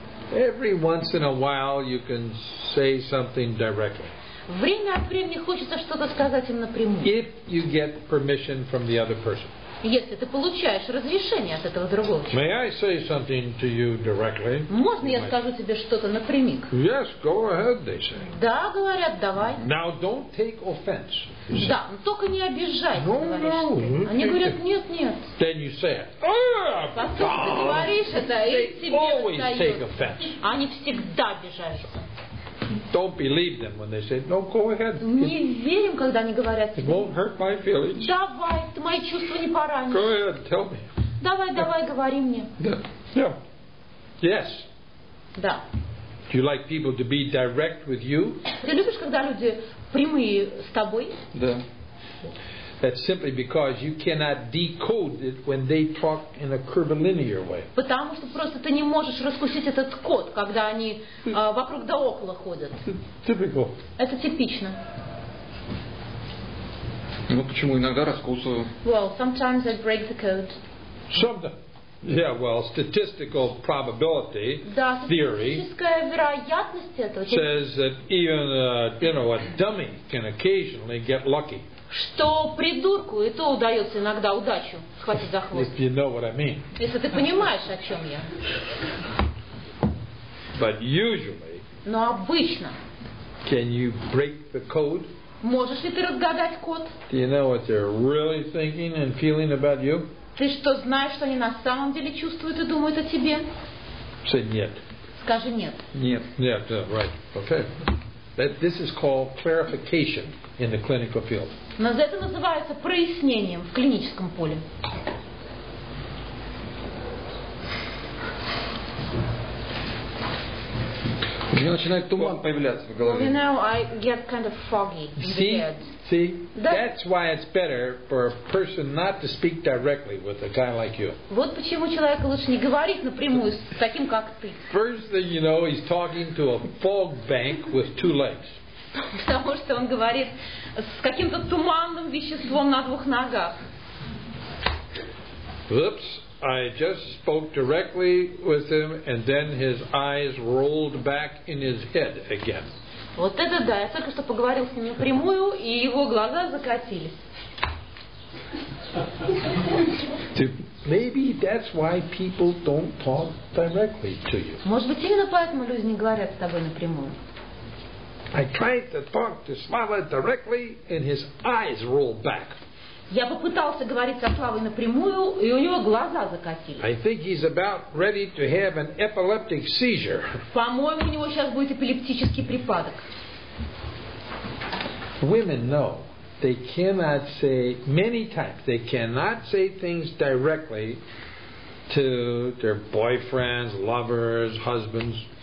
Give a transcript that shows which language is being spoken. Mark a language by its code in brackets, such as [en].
[en] Every once in a while you can say something directly. [ru] Время от времени хочется что-то сказать им напрямую. [en] If you get permission from the other person. [ru] Если ты получаешь разрешение от этого другого человека. [en] May I say something to you directly? [ru] Можно я скажу тебе что-то напрямик? [en] Yes, go ahead, they say. [ru] Да, говорят, давай. [en] Now don't take offense. [ru] Да, но только не обижай. [en] No, no. [ru] Они говорят, нет, нет. [en] Then you say it. [ru] Послушай, ты говоришь это, и тебе [en] always take offense. [ru] Они всегда обижаются. [en] Don't believe them when they say, "No, go ahead." [ru] Не верим, когда они говорят. [en] Won't hurt my feelings. [ru] Давай, ты мои чувства не поранишь. [en] Go ahead, tell me. [ru] Давай, давай, говори мне. [en] Yeah. Yeah. Yes. [ru] Да. [en] Do you like people to be direct with you? [ru] Ты любишь, когда люди прямые с тобой? Да. [en] That's simply because you cannot decode it when they talk in a curvilinear way. [ru] Потому что просто ты не можешь раскусить этот код, когда они вокруг да около ходят. [en] Typical. [ru] Это типично. Ну почему иногда раскусываю? [en] Well, sometimes I break the code. Sometimes. Yeah, well, statistical probability theory says that even a dummy can occasionally get lucky. [ru] что придурку и то удается иногда удачу схватить за хвост. [en] If you know what I mean. [ru] Если ты понимаешь, о чем я. [en] But usually, [ru] но обычно. [en] Can you break the code? [ru] Можешь ли ты разгадать код? [en] Do you know what they're really thinking and feeling about you? [ru] Ты что знаешь, что они на самом деле чувствуют и думают о тебе? [en] Say нет. [ru] Скажи нет. Нет. [en] Yeah, yeah, right. Okay. That this is called clarification in the clinical field. [ru] Но это называется прояснением в клиническом поле. У меня начинает туман появляться в голове. [en] You know, I get kind of foggy in the head. See, that's why it's better for a person not to speak directly with a guy like you. [ru] Вот почему человеку лучше не говорить напрямую с таким, как ты. [en] First thing you know, he's talking to a fog bank with two legs. [ru] Потому что он говорит с каким-то туманным веществом на двух ногах. [en] Oops. I just spoke directly with him, and then his eyes rolled back in his head again. [ru] Вот это да! Я только что поговорил с ним напрямую, и его глаза закатились. [en] Maybe that's why people don't talk directly to you. [ru] Может быть, именно поэтому люди не говорят с тобой напрямую. [en] I tried to talk to Smiley directly, and his eyes rolled back. [ru] Я попытался говорить со Славой напрямую, и у него глаза закатились. [en] I think he's about ready to have an epileptic seizure. [ru] По-моему, у него сейчас будет эпилептический припадок. [en] Women know they cannot say many times they cannot say things directly to their boyfriends, lovers, husbands.